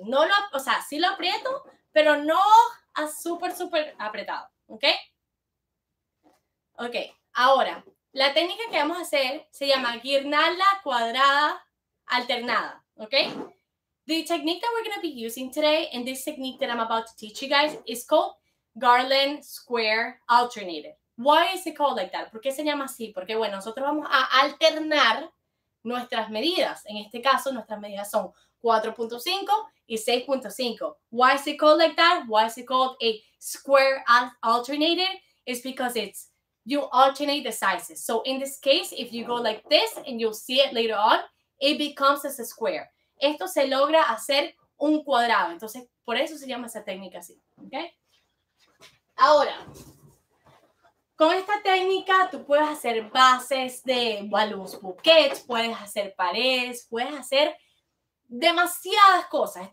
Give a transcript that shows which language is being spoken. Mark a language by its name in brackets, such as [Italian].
[Spanish] No lo, o sea, sí lo aprieto, pero no a súper, súper apretado, okay? Okay, ahora... La técnica que vamos a hacer se llama guirnalda cuadrada alternada, okay? [English] The technique that we're going to be using today and this technique that I'm about to teach you guys is called garland square alternated, Why is it called like that? [Spanish] ¿Por qué se llama así? Porque, bueno, nosotros vamos a alternar nuestras medidas. En este caso, nuestras medidas son 4.5 y 6.5. [English] Why is it called like that? Why is it called a square alternator? It's because it's you alternate the sizes. So in this case, if you go like this and you'll see it later on, it becomes as a square. [Spanish] Esto se logra hacer un cuadrado. Entonces, por eso se llama esa técnica así. Okay? Ahora, con esta técnica tú puedes hacer bases de balloons, bouquets, puedes hacer paredes, puedes hacer demasiadas cosas.